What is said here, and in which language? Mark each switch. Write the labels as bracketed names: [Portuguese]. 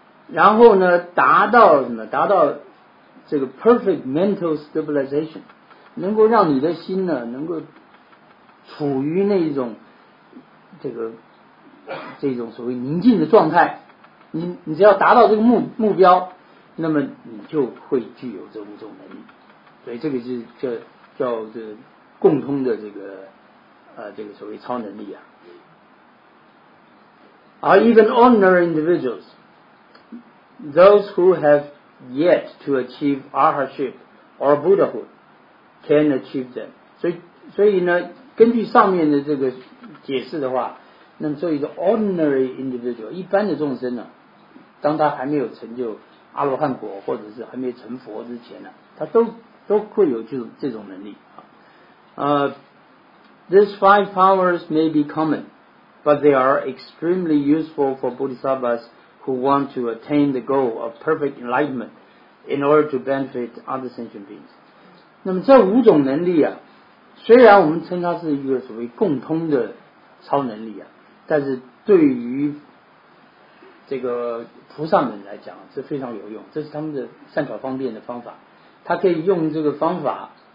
[Chinese] 然后呢，达到什么？达到这个 [English] perfect mental stabilization， [Chinese] 能够让你的心呢，能够处于那种这种所谓宁静的状态。你只要达到这个目标，那么你就会具有这五种能力。所以这个是叫这个共通的这个所谓超能力啊。 [English] Are even ordinary individuals. Those who have yet to achieve arhatship or Buddhahood can achieve them. [Chinese] 所以呢，根据上面的这个解释的话，那么作为一个 [English] ordinary individual， [Chinese] 一般的众生呢，当他还没有成就阿罗汉果或者是还没成佛之前呢，他都会有这种能力。 [English] These five powers may be common, but they are extremely useful for Bodhisattvas. Who want to attain the goal of perfect enlightenment in order to benefit other sentient beings. [Chinese] 那么这五种能力啊，虽然我们称它是一个所谓共通的超能力啊，但是对于这个菩萨们来讲是非常有用，这是他们的善巧方便的方法。他可以用这个方法，